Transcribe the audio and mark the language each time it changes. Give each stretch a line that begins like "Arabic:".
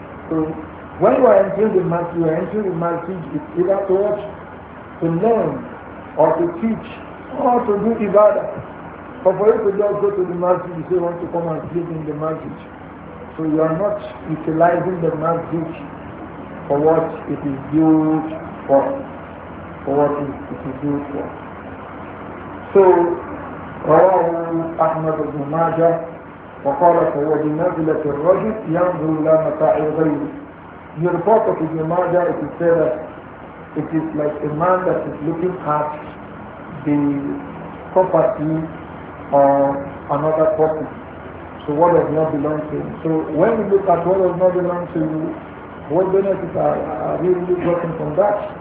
English: So when you are entering the masjid, you are entering the masjid, it's either to watch, to learn, or to teach, or to do ibadah. But for you to just go to the masjid, you say you want to come and sleep in the masjid. So you are not utilizing the masjid for what it is built for. For what it is built for.
Arabic: So رواه أحمد بن ماجه وقال فهو بنزلة الرجل ينظر إلى متاع غيره.
English: He reported to Ibn Majah, it is said that it is like a man that is looking at the property of another person. So what does not belong to him? So when you look at what does not belong to you, what benefits are you really getting from that?